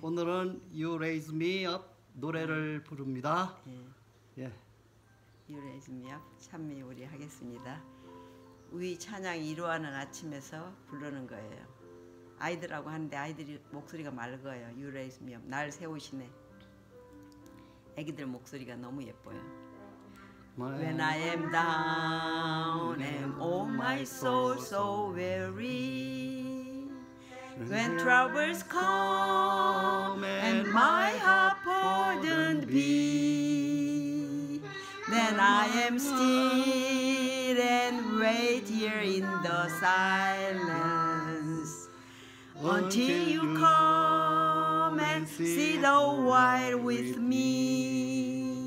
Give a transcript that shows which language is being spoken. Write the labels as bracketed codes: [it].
[ko] 오늘은 You Raise Me Up 노래를 네. 부릅니다. 네. 예. You Raise Me Up 찬미우리 하겠습니다. 우리 찬양이 이루어는 아침에서 부르는 거예요. 아이들하고 하는데 아이들이 목소리가 맑아요. [en] You Raise Me Up [ko] 날 세우시네. 아기들 목소리가 너무 예뻐요. [en] When I am down and oh my soul so weary, when troubles come and my heart burdened be, then I am still and wait here in the silence until you come and see the wild with me.